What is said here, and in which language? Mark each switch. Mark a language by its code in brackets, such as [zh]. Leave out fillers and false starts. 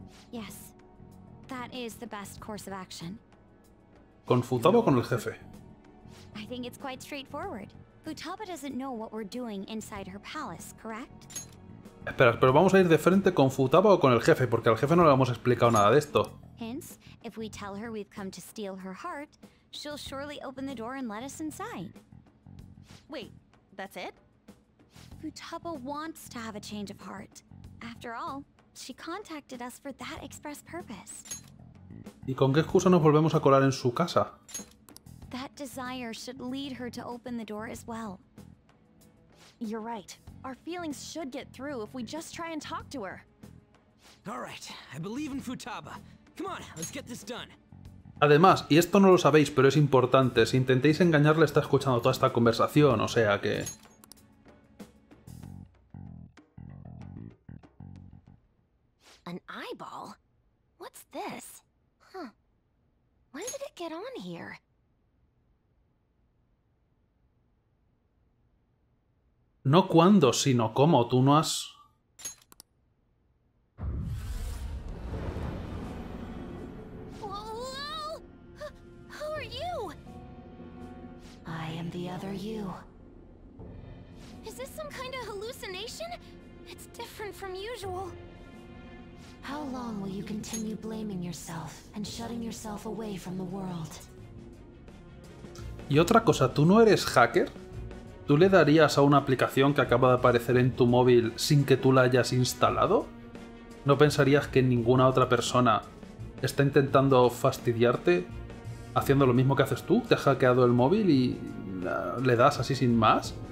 [en] Yes, that is the best course of action. [es] ¿Con Futaba o con el jefe? [en] I think it's quite straightforward. Futaba doesn't know what we're doing inside her palace, correct? [es] Espera, pero vamos a ir de frente con Futaba o con el jefe, porque al jefe no le hemos explicado nada de esto. [en] Hence, if we tell her we've come to steal her heart, she'll surely open the door and let us inside. Wait, that's it? Futaba wants to have a change of heart. After all, she contacted us for that express purpose. [es] ¿Y con qué excusa nos volvemos a colar en su casa? [en] That desire should lead her to open the door as well. You're right. Our feelings should get through if we just try and talk to her. All right, I believe in Futaba. Come on, let's get this done. [es] Además, y esto no lo sabéis, pero es importante, si intentéis engañarle está escuchando toda esta conversación, o sea que... [en] An eyeball? What's this? Huh. When did it get on here? [es] No cuándo, sino cómo. Tú no has... [en] Hello? Who are you? I am the other you. Is this some kind of hallucination? It's different from usual. How long will you continue blaming yourself and shutting yourself away from the world? [es] Y otra cosa, ¿tú no eres hacker? ¿tú le darías a una aplicación que acaba de aparecer en tu móvil sin que tú la hayas instalado? ¿No pensarías que ninguna otra persona está intentando fastidiarte haciendo lo mismo que haces tú? ¿Te ha hackeado el móvil y le das así sin más?